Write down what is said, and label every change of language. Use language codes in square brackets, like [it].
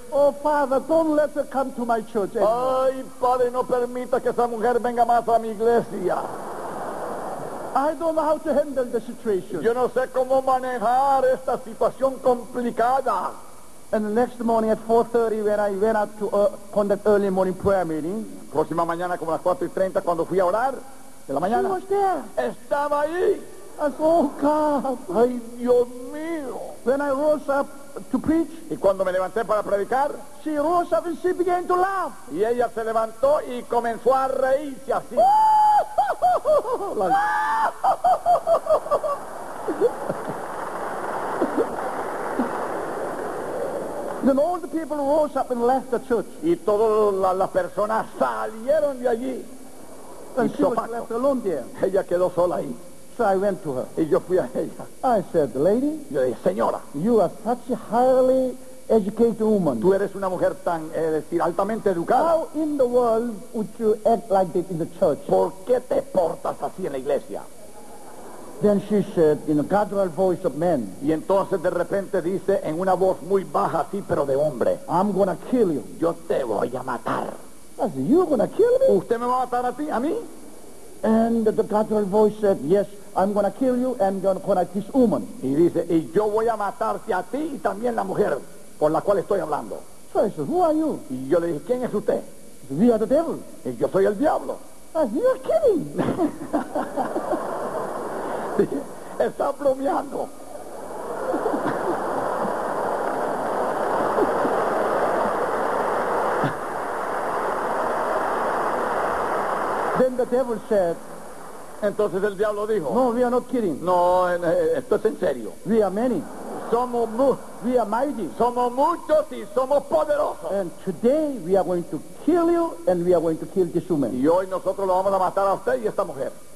[en] Oh, Father, don't let her come to my church anymore. [es] Ay, Padre, no permita que esa mujer venga más a mi iglesia. [en] I don't know how to handle the situation. [es] Yo no sé cómo manejar esta situación complicada. [en] And the next morning at 4:30 when I went out to conduct early morning prayer meeting. [es] Próxima mañana como las 4:30 cuando fui a orar de la mañana. [en] She was there. [es] Estaba ahí. [en] I said, oh God, [es] ay Dios mío. [en] When I rose up to preach, [es] y cuando me levanté para predicar, [en] she rose up and she began to laugh. [es] Y ella se levantó y comenzó a reírse así. [en] Then all the people rose up and left the church. [es] Y todas las personas salieron de allí. [en] And she was left alone there. [es] Ella quedó sola ahí. [en] So I went to her. [es] Y yo fui a ella. [en] I said, lady. [es] Yo dije, señora. [en] You are such a highly educated woman. [es] Tú eres una mujer tan, es decir, altamente educada. [en] How in the world would you act like this in the church? [es] ¿Por qué te portas así en la iglesia? [en] Then she said, in a guttural voice of man. [es] Y entonces de repente dice, en una voz muy baja así, pero de hombre. [en] I'm gonna kill you. [es] Yo te voy a matar. [en] I said, you're gonna kill me? [es] ¿Usted me va a matar a ti, a mí? [en] And the guttural voice said, yes, I'm going to kill you and I'm going to kill this woman. [es] Y dice, y yo voy a matarte a ti y también la mujer con la cual estoy hablando. [en] So I said, who are you? [es] Y yo le dije, ¿quién es usted? [en] We are the devil. [es] Y yo soy el diablo. [en] I said, you're kidding. [es] Está bromeando. [en] Then the devil said, [es] entonces el diablo dijo, [en] no, we are not kidding. [es] No, esto es en serio. [en] We are many. We are mighty. [es] Somos muchos y somos poderosos. [en] And today we are going to kill you and we are going to kill this woman. [es] Y hoy nosotros lo vamos a matar a usted y a esta mujer.